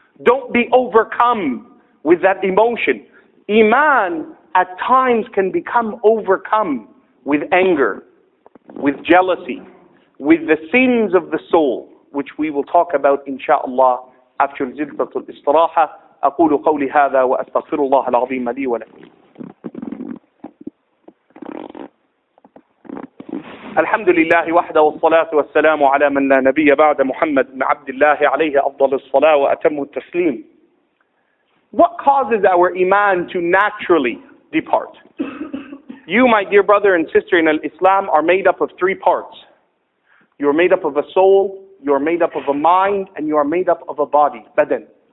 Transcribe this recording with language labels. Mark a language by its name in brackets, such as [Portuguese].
[English] Don't be overcome with that emotion. Iman at times can become overcome with anger, with jealousy, with the sins of the soul, which we will talk about insha'Allah after jilsatul istiraha. [Arabic] أقول قولي هذا وأستغفر الله العظيم لي ولكم. الحمد لله وحده والصلاة والسلام على من لا نبي بعد محمد بن عبد الله عليه أفضل الصلاة وأتم التسليم. [English] What causes our iman to naturally depart? You, my dear brother and sister in Islam, are made up of three parts. You are made up of a soul, you are made up of a mind, and you are made up of a body, badan.